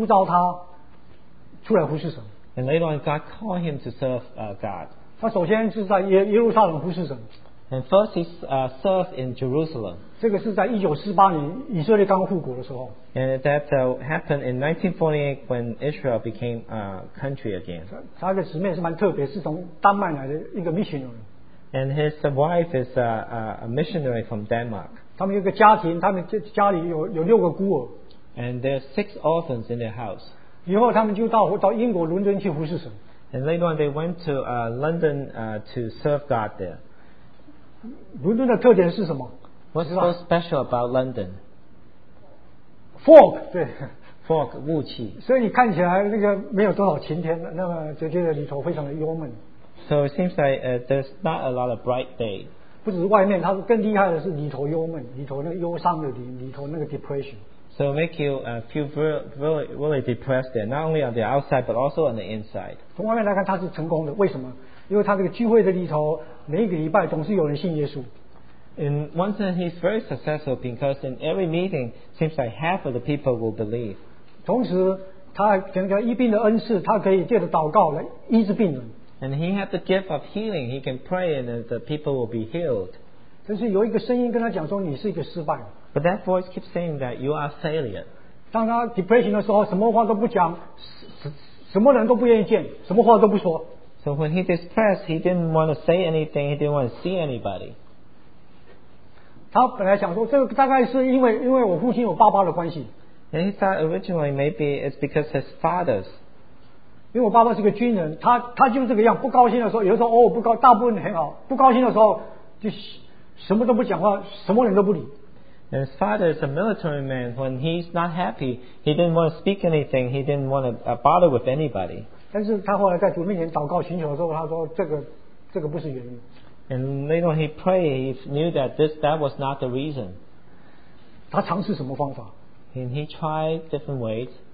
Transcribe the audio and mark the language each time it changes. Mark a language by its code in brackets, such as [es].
[zh] 以后主呼召他出来服侍神。 [en] And later on, God called him to serve God. [zh] 他首先是在耶路撒冷服侍神。 [en] And first he served in Jerusalem. [zh] 这个是在1948年以色列刚复国的时候。 [en] And that happened in 1948 when Israel became a country again. [zh] 他的使命是蛮特别，是从丹麦来的一个missionary。 [en] And his wife is a missionary from Denmark. [zh] 他们有个家庭，他们家里有六个孤儿。 [en] And there are 6 orphans in their house. [zh] 以后他们就 到英国伦敦去服侍神。 [en] And later on they went to London to serve God there. [zh] 伦敦的特点是什么? [en] What's so special about London? Fog, [zh] 对。 Fog, 雾气。所以你看起来那个没有多少晴天，那么就觉得里头非常的幽闷。 [en] So it seems like there's not a lot of bright day. [zh] 不只是外面，它更厉害的是里头幽闷，里头那个忧伤的里头那个 depression。 [en] So make you feel really, really depressed there, not only on the outside but also on the inside. [zh] 从外面来看，他是成功的。为什么？因为他这个聚会的里头，每一个礼拜总是有人信耶稣。 [en] In one sense, he's very successful because in every meeting, seems like half of the people will believe. [zh] 同时，他凭着医病的恩赐，他可以借着祷告来医治病人。 [en] And he had the gift of healing. He can pray, and the people will be healed. [zh] 但是有一个声音跟他讲说，你是一个失败。 [en] But that voice keeps saying that you are a failure. [zh] 当他 depression 的时候，什么话都不讲，什么人都不愿意见，什么话都不说。 [en] So when he depressed, he didn't want to say anything. He didn't want to see anybody. [zh] 他本来想说，这个大概是因为我父亲、我爸爸的关系。 [en] And he thought originally maybe it's because his father's. [zh] 因为我爸爸是个军人，他就是这个样，不高兴的时候，有的时候不高，大部分很好，不高兴的时候就什么都不讲话，什么人都不理。 [en] And his father is a military man. When he's not happy, he didn't want to speak anything. He didn't want to bother with anybody. [zh] 但是他后来在主面前祷告寻求的时候，他说这个不是原因。 [en] And later on he prayed. He knew that that was not the reason. [zh] 他尝试什么方法？ [en] And he tried different ways.